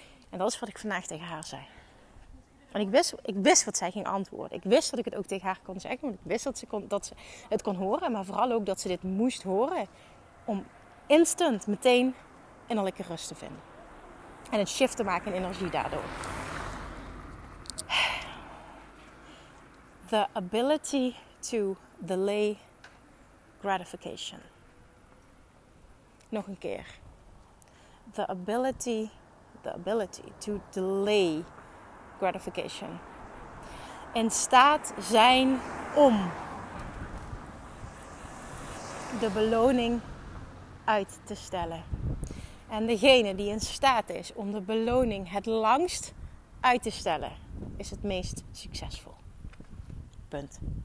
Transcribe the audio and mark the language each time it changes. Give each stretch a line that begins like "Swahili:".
Dutch: En dat is wat ik vandaag tegen haar zei. En ik wist wat zij ging antwoorden. Ik wist dat ik het ook tegen haar kon zeggen. Want ik wist dat ze het kon horen. Maar vooral ook dat ze dit moest horen. Om instant meteen innerlijke rust te vinden. En een shift te maken in energie daardoor.
English: The ability to delay gratification.
Dutch: Nog een keer.
English: The ability to delay gratification.
Dutch: In staat zijn om de beloning uit te stellen. En degene die in staat is om de beloning het langst uit te stellen, is het meest succesvol. Punt.